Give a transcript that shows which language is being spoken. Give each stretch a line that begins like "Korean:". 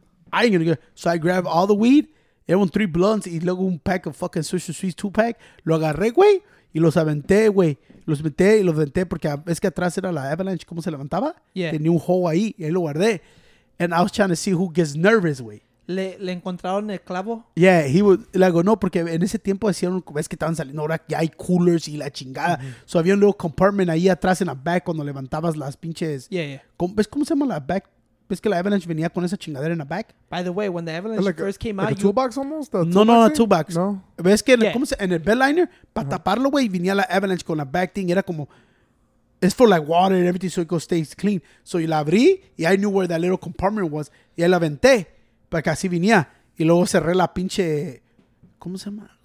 English: I ain't gonna go. So I grabbed all the weed. Everyone 3 blunts.
Spanish: Y luego un
English: pack of fucking Swisher Sweets 2-pack.
Spanish: Lo agarré, güey. Y los aventé, güey. Los meté y los aventé. Porque es que atrás era la avalanche. ¿Cómo se levantaba?
English: Yeah.
Spanish: Tenía un hole ahí. Y ahí lo guardé.
English: And I was trying to see who gets nervous, güey.
Spanish: ¿Le encontraron el clavo?
English: Yeah, he would.
Spanish: Like, no, porque en ese tiempo decían, ves que estaban saliendo, ahora ya hay coolers y la chingada. Mm-hmm. So había un
English: little compartment
Spanish: ahí atrás en la back cuando levantabas las pinches.
English: Yeah, yeah.
Spanish: ¿Ves cómo se llama la back? ¿Ves que la avalanche venía con esa chingadera en la back?
English: By the way, when the avalanche like first came out. Like a toolbox almost? Toolbox. No.
Spanish: ¿Ves que en el bed liner, para taparlo, güey, venía la avalanche con la back thing? Era como,
English: it's for like water and everything so it stays clean. So
Spanish: yo la abrí y
English: I knew where that little compartment was.
Spanish: Y ahí la aventé. Porque así venía. Y luego cerré la pinche, ¿cómo se llama?